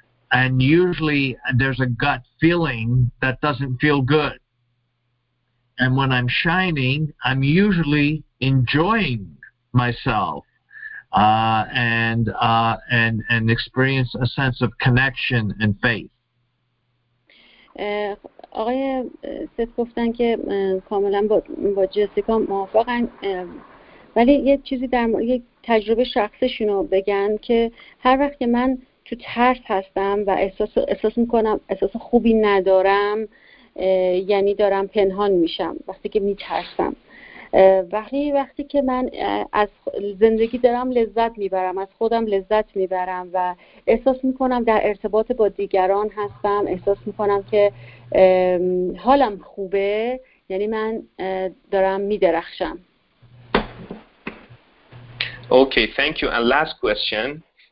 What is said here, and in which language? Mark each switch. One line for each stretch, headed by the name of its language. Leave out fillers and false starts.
English: And usually there's a gut feeling that doesn't feel good. And when I'm shining, I'm usually enjoying myself and experience a sense of connection and faith.
Persian: آقای ست گفتن که کاملا با جسیکا موافقن، ولی یه چیزی در مورد یه تجربه شخصشون رو بگن که هر وقت که من تو ترس هستم و احساس میکنم احساس خوبی ندارم، یعنی دارم پنهان میشم وقتی که میترسم، ولی وقتی که من از زندگی دارم لذت میبرم، از خودم لذت میبرم و احساس میکنم در ارتباط با دیگران هستم، احساس میکنم که حالم خوبه، یعنی من دارم میدرخشم.
English: Okay, thank you. And last question.